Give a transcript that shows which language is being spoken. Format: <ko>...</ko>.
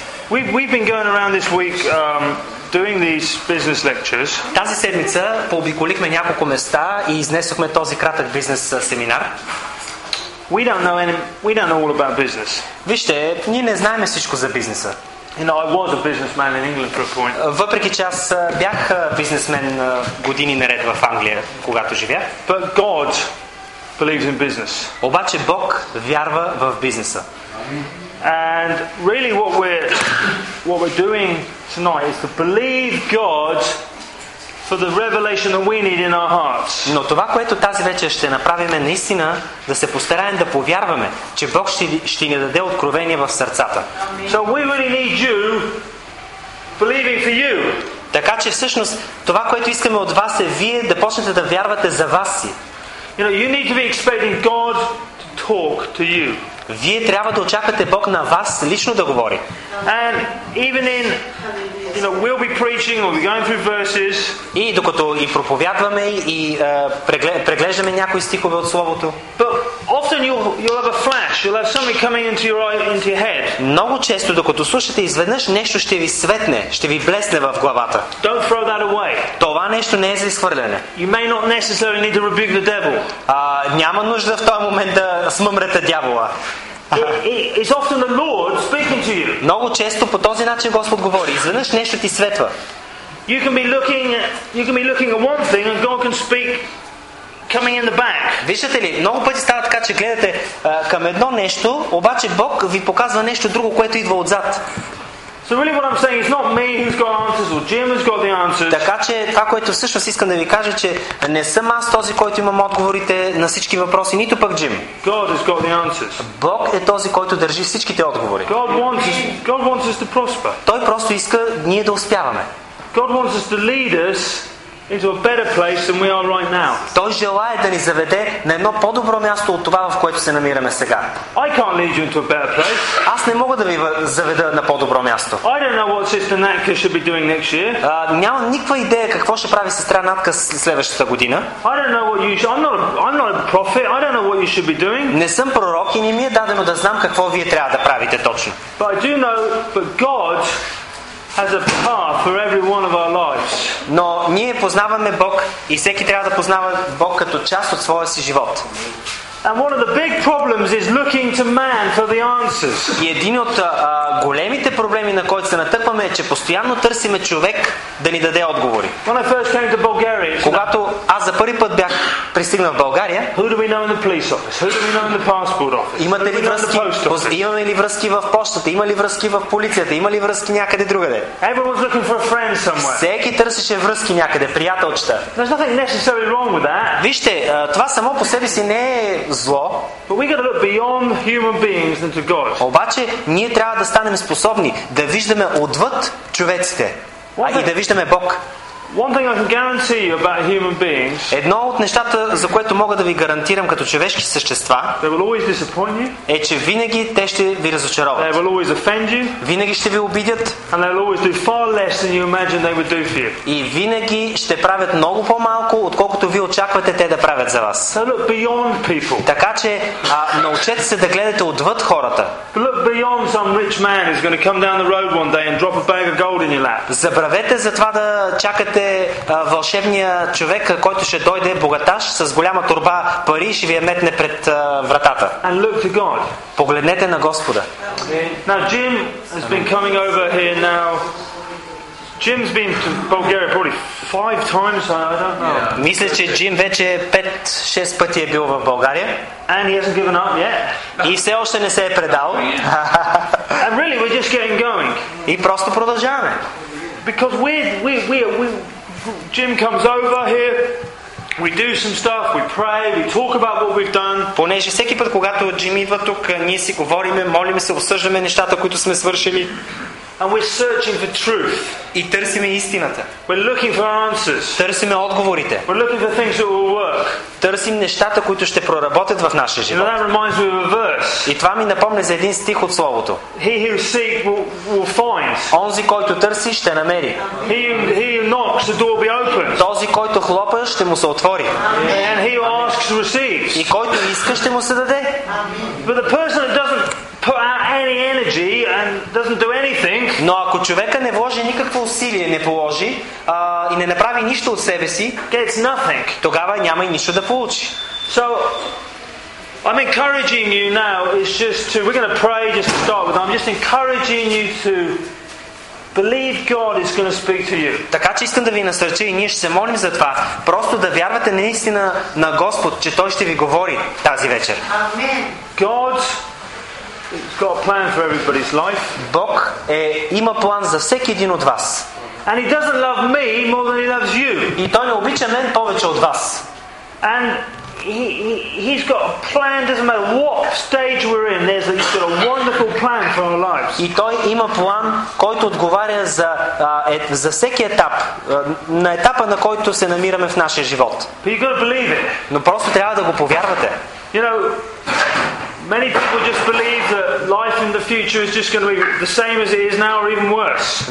<en>We've been going around this week doing these business lectures.</en> <bg>Тази седмица пообиколихме няколко места и изнесохме този кратък бизнес семинар.</bg> <en>We don't know all about business.</en> <bg>Вижте, ние не знаем всичко за бизнеса.</bg> <en>You know, I was a businessman in England for a point.</en> <bg>Въпреки че аз бях бизнесмен години наред в Англия, когато живях.</bg> <en>But God believes in business.</en> <bg>Обаче Бог вярва в бизнеса.</bg> <en>And really what we're doing tonight is to believe God for the revelation that we need in our hearts.</en> <bg>Но това, което тази вечер ще направим, е наистина да се постараем да повярваме, че Бог ще ни даде откровение в сърцата.</bg> <en>So we really need you believing for you.</en> <bg>Така че всъщност това, което искаме от вас, е вие да почнете да вярвате за вас си.</bg> <en>You know, you need to be expecting God to talk to you.</en> <bg>Вие трябва да очаквате Бог на вас лично да говори.</bg> <en>And even in, you know, we'll be preaching or going through verses.</en> <bg>И докато и проповядваме и преглеждаме някои стихове от словото.</bg> <en>But often you'll have a flash, you'll have something coming into your eye, into your head.</en> <bg>Много често докато слушате, изведнъж нещо ще ви светне, ще ви блесне в главата.</bg> <en>Don't throw that away.</en> <bg>Това нещо не е за изхвърляне.</bg> <en>You may not necessarily need to rebuke the devil.</en> <bg>Няма нужда в този момент да смъмрете дявола.</bg> <en>It's often the Lord speaking to you.</en> <bg>Много често по този начин Господ говори. Изведнъж нещо ти светва.</bg> <en>You can be looking at one thing and God can speak coming in the back.</en> <bg>Виждате ли, много пъти става така, че гледате към едно нещо, обаче Бог ви показва нещо друго, което идва отзад.</bg> <en>So really what I'm saying is not me who's got answers or Jim who's got the answers.</en> <bg>Така че това, което всъщност искам да ви кажа, че не съм аз този, който имам отговорите на всички въпроси, нито пък Джим.</bg> <en>God has got the answers.</en> <bg>Бог е този, който държи всичките отговори.</bg> <en>God wants us to prosper.</en> <bg>Той просто иска ние да успяваме.</bg> <en>God wants us to lead us into a better place than we are right now.</en> <bg>Той желае да ни заведе на едно по-добро място от това, в което се намираме сега.</bg> <en>I can't lead you into a better place.</en> <bg>Аз не мога да ви заведа на по-добро място.</bg> <en>I don't know what Sister Natka should be doing next year.</en> <bg>Нямам никаква идея какво ще прави сестра Натка следващата година.</bg> <en>I don't know what you should. I'm not a prophet. I don't know what you should be doing.</en> <bg>Не съм пророк и не ми е дадено да знам какво вие трябва да правите точно.</bg> <en>But I do know that God has a path for every one of our lives.</en> <bg>Но ние познаваме Бог и всеки трябва да познава Бог като част от своя си живот.</bg> <en>And one of the big problems is looking to man for the answers.</en> <bg>И един от големите проблеми, на който се натъкваме, е че постоянно търсиме човек да ни даде отговори.</bg> <en>When I first came to Bulgaria,</en> <bg>когато аз за първи път бях пристигнал в България,</bg> <en>who do we know in the police office? Who do we know in the passport office?</en> <bg>Имате ли връзки? Имаме ли връзки в пощата? Има ли връзки в полицията? Има ли връзки някъде другаде?</bg> <en>Everyone's looking for a friend somewhere.</en> <bg>Всеки търсеше връзки някъде, приятелчета.</bg> <en>There's nothing necessarily wrong with that.</en> <bg>Вижте, това само по себе си не е зло.</bg> <en>But we got to look beyond human beings into God.</en> <bg>Обаче ние трябва да станем способни да виждаме отвъд човеците, и да виждаме Бог.</bg> <en>One thing I can guarantee you about human beings.</en> <bg>Едно от нещата, за което мога да ви гарантирам като човешки същества,</bg> <en>they will always disappoint you.</en> <bg>Е че винаги те ще ви разочароват.</bg> <en>They will always offend you.</en> <bg>Винаги ще ви обидят.</bg> <en>And they will always do far less than you imagine they would do for you.</en> <bg>И винаги ще правят много по-малко, отколкото ви очаквате те да правят за вас.</bg> <en>So look beyond people.</en> <bg>Така че научете се да гледате отвъд хората.</bg> <en>Look beyond some rich man who's going to come down the road one day and drop a bag of gold in your lap.</en> <bg>Забравете за това да чакате вълшебния човек, който ще дойде богаташ с голяма торба пари и ще ви я метне пред вратата.</bg> <en>And look to God.</en> <bg>Погледнете на Господа.</bg> <en>Now Jim has been coming over here now. Jim's been to Bulgaria probably 5 times, I don't know.</en> <bg>Мисля, че Джим вече 5-6 пъти е бил в България.</bg> <en>And he hasn't given up yet.</en> <bg>И все още не се е предал.</bg> <en>And really we're just getting going.</en> <bg>И просто продължаваме.</bg> <en>Because we Jim comes over here, we do some stuff, we pray, we talk about what we've done.</en> <bg>Понеже всеки път, когато Джим идва тук, ние си говориме, молиме се, обсъждаме нещата, които сме свършили.</bg> <en>And we're searching for truth.</en> <bg>И търсиме истината.</bg> <en>We're looking for answers.</en> <bg>Търсиме отговорите.</bg> <en>We're looking for things that will work.</en> <bg>Търсим нещата, които ще проработят в нашия живот.</bg> <en>And that reminds me of a verse.</en> <bg>И това ми напомня за един стих от Словото.</bg> <en>He who seeks will find.</en> <bg>Онзи, който търси, ще намери.</bg> <en>He who knocks, the door will be opened.</en> <bg>Този, който хлопа, ще му се отвори.</bg> <en>And he who asks, receives.</en> <bg>И който иска, ще му се даде.</bg> <en>But the person that doesn't put out any energy, doesn't do anything,</en> <bg>но ако човека не вложи никакво усилие, не положи и не направи нищо от себе си,</bg> <en>gets nothing.</en> <bg>Тогава няма и нищо да получи.</bg> <en>So, I'm encouraging you now. It's just to we're going to pray just to start with. I'm just encouraging you to believe God is going to speak to you.</en> <bg>Така че искам да ви насърча и ние ще се молим за това. Просто да вярвате наистина на Господ, че Той ще ви говори тази вечер.</bg> <en>Amen. God's got a plan for everybody's life.</en> <bg>Бог има план за всеки един от вас.</bg> <en>And He doesn't love me more than He loves you.</en> <bg>И Той не обича мен повече от вас.</bg> <en>And He's got a plan. Doesn't matter what stage we're in. He's got a wonderful plan for our lives.</en> <bg>И той има план, който отговаря за всеки етап, на етапа, на който се намираме в нашия живот.</bg> <en>But you've got to believe it.</en> <bg>Но просто трябва да го повярвате.</bg> <en>You know, many people just believe that life in the future is just going to be the same as it is now, or even worse.</en>